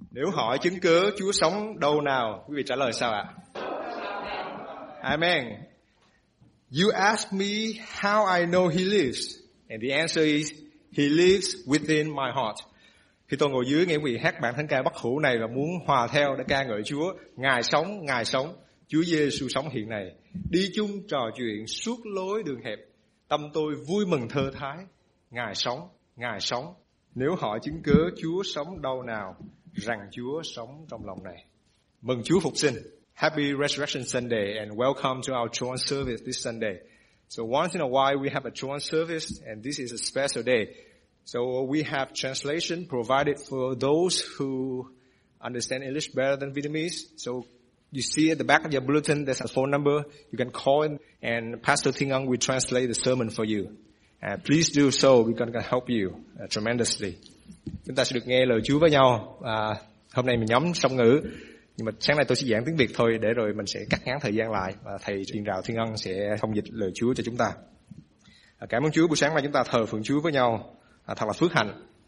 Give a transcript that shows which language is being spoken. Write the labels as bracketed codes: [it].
[vi] Nếu hỏi chứng cớ Chúa sống đâu nào, quý vị trả lời sao ạ? Amen. [en] You ask me how I know he lives, and the answer is he lives within my heart. [vi] Khi tôi ngồi dưới nghe quý vị hát bản thánh ca bất hủ này và muốn hòa theo để ca ngợi Chúa, Ngài sống, Chúa Giêsu sống hiện nay. Đi chung trò chuyện suốt lối đường hẹp, tâm tôi vui mừng thơ thái, Ngài sống, Ngài sống. Nếu hỏi chứng cớ Chúa sống đâu nào, rằng Chúa sống trong lòng này. Mừng Chúa phục sinh. [en] Happy Resurrection Sunday and welcome to our joint service this Sunday. So once in a while we have a joint service and this is a special day. So we have translation provided for those who understand English better than Vietnamese. So you see at the back of your bulletin there's a phone number. You can call in and Pastor Thinh Ang will translate the sermon for you. Please do so. We're going to help you tremendously. [vi] Chúng ta sẽ được nghe lời Chúa với nhau. Hôm nay mình nhóm song ngữ. Nhưng mà sáng nay tôi sẽ giảng tiếng Việt thôi để rồi mình sẽ cắt ngắn thời gian lại và thầy Truyền Đạo Thiên Ân sẽ thông dịch lời Chúa cho chúng ta. Cảm ơn Chúa buổi sáng mà chúng ta thờ phượng Chúa với nhau. Thật là phước hạnh.